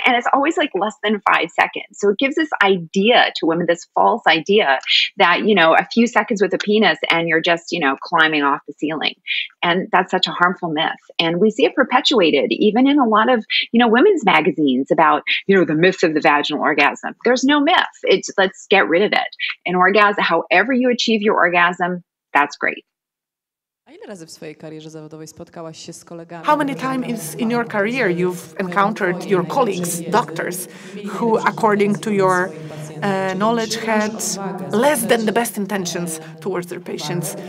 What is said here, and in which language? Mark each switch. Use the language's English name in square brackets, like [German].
[English] And it's always like less than 5 seconds. So it gives this idea to women, this false idea that, you know, a few seconds with a penis and you're just, you know, climbing off the ceiling. And that's such a harmful myth. And we see it perpetuated even in a lot of, you know, women's magazines about, you know, the myth of the vaginal orgasm. There's no myth. It's, let's get rid of it. An orgasm, however you achieve your orgasm, that's great. [Polish] A ile razy w swojej karierze zawodowej spotkałaś się z kolegami? [English] How many times in your career you've encountered your colleagues, doctors, who according to your knowledge had less than the best intentions towards their patients?